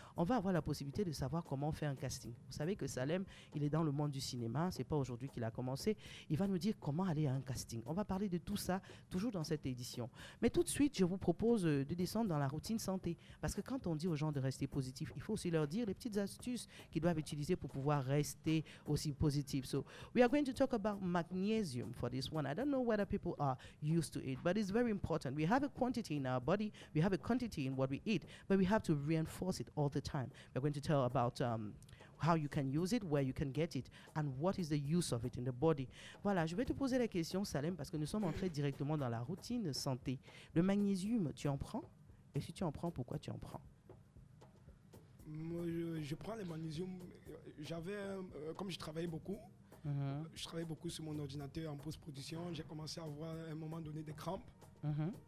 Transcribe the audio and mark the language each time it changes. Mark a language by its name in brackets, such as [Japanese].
[French] On va avoir la possibilité de savoir comment faire un casting. Vous savez que Salem, il est dans le monde du cinéma, c'est pas aujourd'hui qu'il a commencé. Il va nous dire comment aller à un casting. On va parler de tout ça, toujours dans cette édition. Mais tout de suite, je vous propose de descendre dans la routine santé. Parce que quand on dit aux gens de rester positifs, il faut aussi leur dire les petites astuces qu'ils doivent utiliser pour pouvoir rester aussi positive. [English] So we are going to talk about magnesium for this one. I don't know whether people are used to it, but it's very important. We have a quantity in our body, we have a quantity in what we eat, but we have to reinforce it all the time. We're going to tell about how you can use it, where you can get it, and what is the use of it in the body. [French] Voilà, je vais te poser la question, Salem, parce que nous sommes entrés directement dans la routine santé. Le magnésium, tu en prends? Et si tu en prends, pourquoi tu en prends? Moi, je prends le magnésium. J'avais, comme je travaillais beaucoup, je travaillais beaucoup sur mon ordinateur en post-production, j'ai commencé à avoir à un moment donné des crampes. Mm-hmm.